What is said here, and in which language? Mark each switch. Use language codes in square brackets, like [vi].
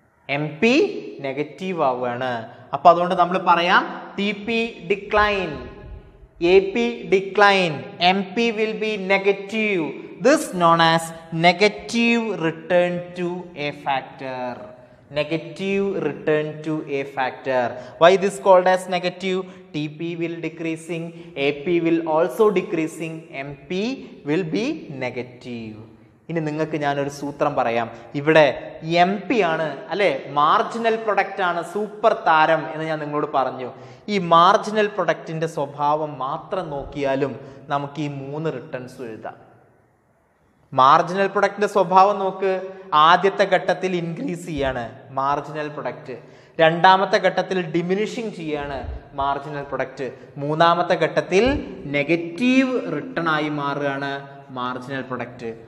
[ml] M P negative ആവുകയാണ്. അപ്പം അതുകൊണ്ട് നമ്മൾ പറയാം, [en] T P decline, A P decline, M P will be negative. This known as negative return to a factor. Negative return to a factor. Why this called as negative? TP will decreasing, AP will also decreasing, MP will be negative. [ml] ഇനി നിങ്ങൾക്ക് ഞാനൊരു സൂത്രം പറയാം. ഇവിടെ M P ആണ് അല്ലേ marginal പ്രൊഡക്റ്റാണ് super താരം എന്ന് ഞാൻ നിങ്ങളോട് പറഞ്ഞു. ഈ മാർജിനൽ പ്രൊഡക്റ്റിൻ്റെ സ്വഭാവം മാത്രം നോക്കിയാലും നമുക്ക് ഈ മൂന്ന് റിട്ടേൺസ് എഴുതാം. മാർജിനൽ പ്രൊഡക്റ്റിൻ്റെ സ്വഭാവം നോക്ക്. ആദ്യത്തെ ഘട്ടത്തിൽ ഇൻക്രീസ് ചെയ്യാണ് മാർജിനൽ പ്രൊഡക്റ്റ്, രണ്ടാമത്തെ ഘട്ടത്തിൽ ഡിമിനിഷിങ് ചെയ്യാണ് മാർജിനൽ പ്രൊഡക്റ്റ്, മൂന്നാമത്തെ ഘട്ടത്തിൽ നെഗറ്റീവ് റിട്ടേൺ ആയി മാറുകയാണ് മാർജിനൽ പ്രൊഡക്റ്റ്.